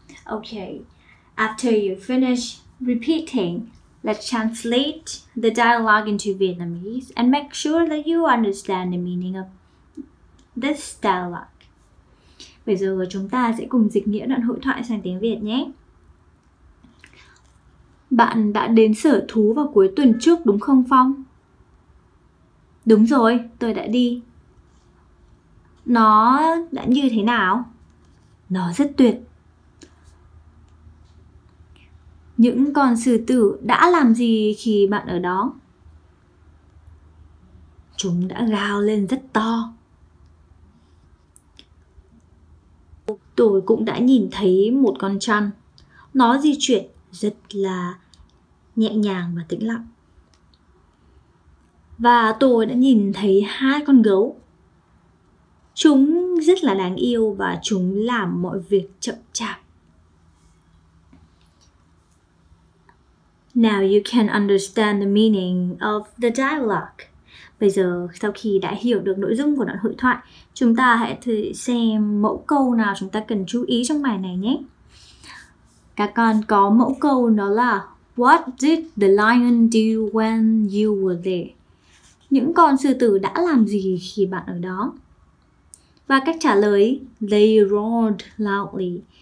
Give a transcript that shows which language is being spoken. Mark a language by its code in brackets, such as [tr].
[en] Okay, after you finish repeating, let's translate the dialogue into Vietnamese and make sure that you understand the meaning of this dialogue. [vi] Bây giờ chúng ta sẽ cùng dịch nghĩa đoạn hội thoại sang tiếng Việt nhé. Bạn đã đến sở thú vào cuối tuần trước đúng không, Phong? Đúng rồi, tôi đã đi. Nó đã như thế nào? Nó rất tuyệt. Những con sư tử đã làm gì khi bạn ở đó? Chúng đã gào lên rất to. Tôi cũng đã nhìn thấy một con trăn. Nó di chuyển rất là nhẹ nhàng và tĩnh lặng. Và tôi đã nhìn thấy hai con gấu. Chúng rất là đáng yêu và chúng làm mọi việc chậm chạp. [en] Now you can understand the meaning of the dialogue. [vi] Bây giờ sau khi đã hiểu được nội dung của đoạn hội thoại, chúng ta hãy thử xem mẫu câu nào chúng ta cần chú ý trong bài này nhé. Các con có mẫu câu đó là [en] What did the lion do when you were there? [vi] Những con sư tử đã làm gì khi bạn ở đó? Và cách trả lời, [en] they roared loudly.